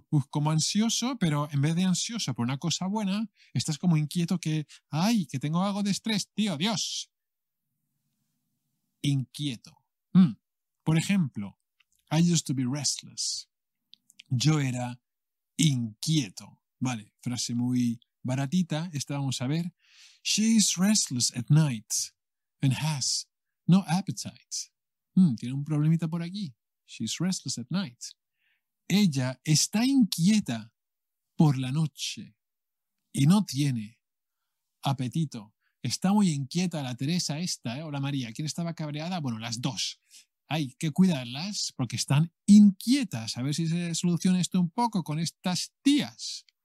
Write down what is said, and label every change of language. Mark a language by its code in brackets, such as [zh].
[es] Como ansioso, pero en vez de ansioso por una cosa buena, estás como inquieto que, ay, que tengo algo de estrés, tío, Dios. Inquieto. Por ejemplo, [en] I used to be restless. [es] Yo era inquieto. Vale, frase muy baratita, esta vamos a ver. [en] She is restless at night and has no appetite. [es] Tiene un problemita por aquí. [en] She is restless at night. [es] Ella está inquieta por la noche y no tiene apetito. Está muy inquieta la Teresa esta, ¿eh? O la María. ¿Quién estaba cabreada? Bueno, las dos. Hay que cuidarlas porque están inquietas. A ver si se soluciona esto un poco con estas tías.